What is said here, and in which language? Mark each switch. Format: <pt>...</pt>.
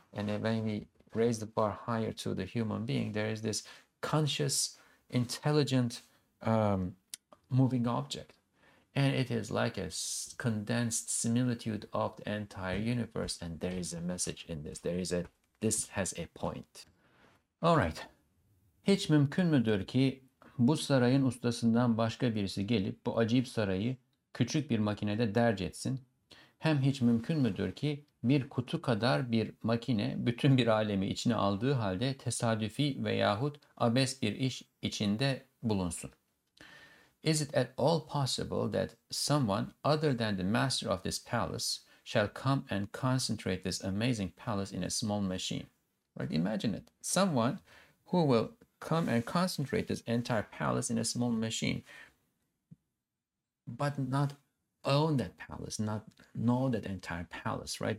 <en>And then when we raise the bar higher to the human being, there is this conscious, intelligent, moving object. And it is like a condensed similitude of the entire universe. And there is a message in this. There is a, this has a point. All right.</en> <tr>Hiç mümkün müdür ki bu sarayın ustasından başka birisi gelip bu acayip sarayı küçük bir makinede derc etsin? Hem hiç mümkün müdür ki bir kutu kadar bir makine bütün bir alemi içine aldığı halde tesadüfi veyahut abes bir iş içinde bulunsun?</tr> <en>Is it at all possible that someone other than the master of this palace shall come and concentrate this amazing palace in a small machine? Right? Imagine it. Someone who will come and concentrate this entire palace in a small machine, but not own that palace, not know that entire palace, right?</en>